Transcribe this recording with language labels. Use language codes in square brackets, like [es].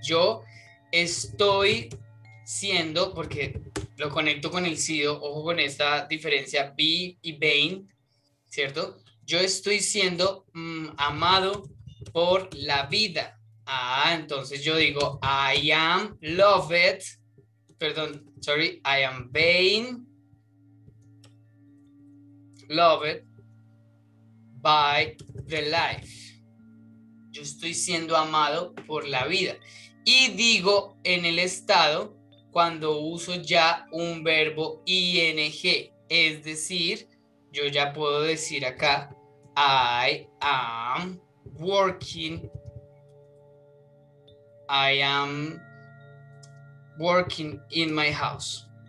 [es] Yo estoy siendo, porque lo conecto con el sido, ojo con esta diferencia, be y been, ¿cierto? Yo estoy siendo amado por la vida. Ah, entonces yo digo, [en] I am loved [es] perdón, [en] sorry, I am being loved by the life. [es] Yo estoy siendo amado por la vida. Y digo en el estado cuando uso ya un verbo ing, es decir, yo ya puedo decir acá, [en] I am working, I am working in my house.